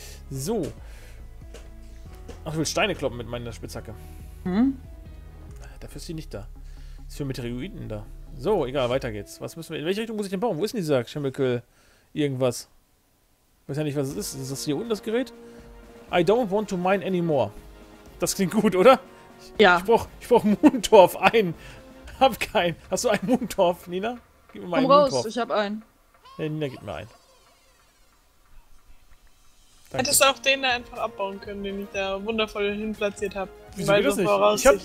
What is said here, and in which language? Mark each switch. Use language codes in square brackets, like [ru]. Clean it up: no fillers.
[de] So. Ach, ich will Steine kloppen mit meiner Spitzhacke. Dafür ist sie nicht da. Ist für Meteoriten da. So, egal, weiter geht's. Was müssen wir? In welche Richtung muss ich denn bauen? Wo ist denn dieser Chemical irgendwas? Ich weiß ja nicht, was es ist. Ist das hier unten das Gerät? [en] I don't want to mine anymore. [de] Das klingt gut, oder? Ja. Ich brauch Moontorf, einen. Hab keinen. Hast du einen Moontorf, Nina? Gib mir mal einen. Komm raus, Moontorf. Ich hab einen. Hey, Nina, gib mir einen. Danke. Hättest du auch den da einfach abbauen können, den ich da wundervoll hinplatziert habe. Wieso geht das nicht?